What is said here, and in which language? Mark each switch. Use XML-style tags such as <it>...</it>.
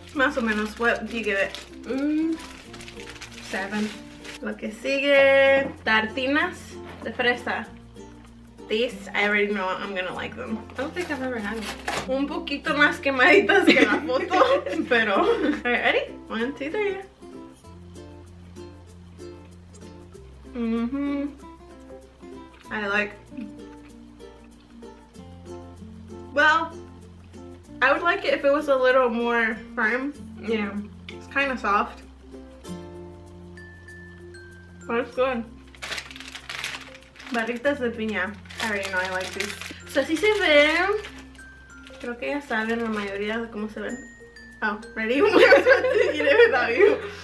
<es>Más o menos,</es> <en>what do you give it? 7.</en> <es>Lo que sigue, tartinas de fresa.</es> <en>These, I already know I'm gonna like them. I don't think I've ever had them.</en> <es>Un poquito más quemaditas que la foto, pero.</es> <en>Alright, ready? 1, 2, 3. I like. Well, I would like it if it was a little more firm. Yeah. It's kind of soft. But it's good.</en> <es>Barritas de piña.</es> <en>I already know I like these.</en> <es>So, así se ven. Creo que ya saben la mayoría de cómo se ven.</es> <en>Oh, ready? I was about to eat it without you.</en>